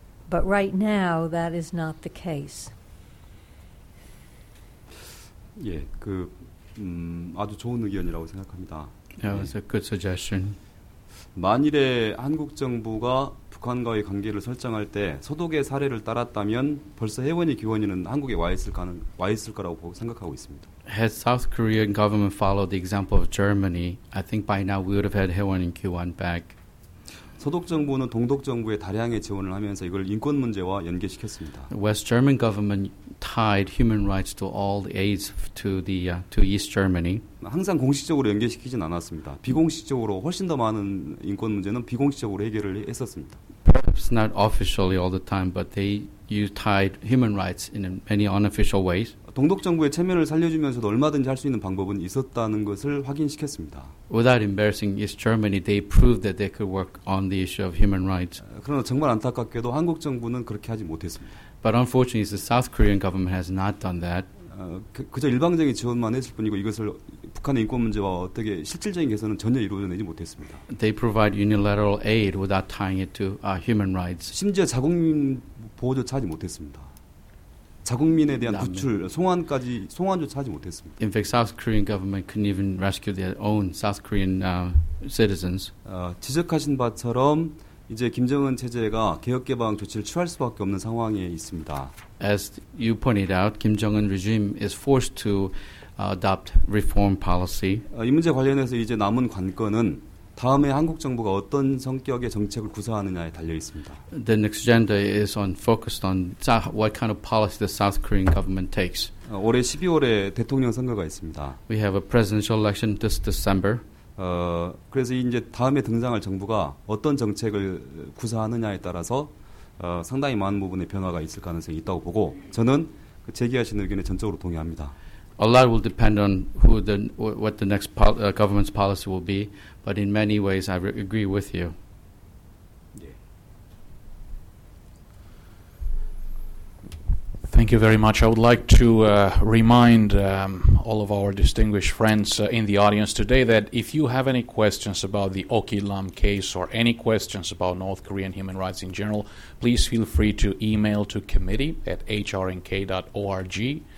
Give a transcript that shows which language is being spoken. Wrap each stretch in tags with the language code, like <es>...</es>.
<en>But right now, that is not the case.</en> <ko>예, 그 아주 좋은 의견이라고 생각합니다.</ko> <en>Yeah, that's a good suggestion.</en> <ko>만일에 한국 정부가 북한과의 관계를 설정할 때 서독의 사례를 따랐다면 벌써 해원이 기원이는 한국에 와 있을 거라고 생각하고 있습니다.</ko> <en>Had South Korean government followed the example of Germany, I think by now we would have had 해원 and 기원 back.</en> <ko>서독 정부는 동독 정부에 다량의 지원을 하면서 이걸 인권 문제와 연계시켰습니다.</ko> <en>West German government tied human rights to all the aids to the to East Germany.</en> <ko>항상 공식적으로 연계시키진 않았습니다. 비공식적으로 훨씬 더 많은 인권 문제는 비공식적으로 해결을 했었습니다.</ko> <en>Perhaps not officially all the time, but they used tied human rights in many unofficial ways.</en> <ko>동독 정부의 체면을 살려주면서도 얼마든지 할 수 있는 방법은 있었다는 것을 확인시켰습니다.</ko> <en>Without embarrassing East Germany, they proved that they could work on the issue of human rights.</en> <ko>그러나 정말 안타깝게도 한국 정부는 그렇게 하지 못했습니다.</ko> <en>But unfortunately, the South Korean government has not done that.</en> <ko>그저 일방적인 지원만 했을 뿐이고 이것을 북한의 인권 문제와 어떻게 실질적인 개선은 전혀 이루어내지 못했습니다.</ko> <en>They provide unilateral aid without tying it to human rights.</en> <ko>심지어 자국민 보호조차 하지 못했습니다. 자국민에 대한 구출, 송환까지 송환조차 하지 못했습니다.</ko> <en>In fact, South Korean government couldn't even rescue their own South Korean citizens.</en> <ko>지적하신 바처럼 이제 김정은 체제가 개혁개방 조치를 취할 수밖에 없는 상황에 있습니다.</ko> <en>As you pointed out, Kim Jong-un regime is forced to adopt reform policy.</en> <ko>이 문제 관련해서 이제 남은 관건은 다음에 한국 정부가 어떤 성격의 정책을 구사하느냐에 달려 있습니다.</ko> <en>The next agenda is on focused on what kind of policy the South Korean government takes.</en> <ko>올해 12월에 대통령 선거가 있습니다.</ko> <en>We have a presidential election this December.</en> <ko>그래서 이제 다음에 등장할 정부가 어떤 정책을 구사하느냐에 따라서 상당히 많은 부분의 변화가 있을 가능성이 있다고 보고 저는 그 제기하신 의견에 전적으로 동의합니다.</ko> <en>A lot will depend on who the what the next government's policy will be, but in many ways I agree with you.</en> <ko>예.</ko> <en>Thank you very much. I would like to remind all of our distinguished friends in the audience today that if you have any questions about the Oki Lam case or any questions about North Korean human rights in general, please feel free to email to committee at hrnk.org.</en>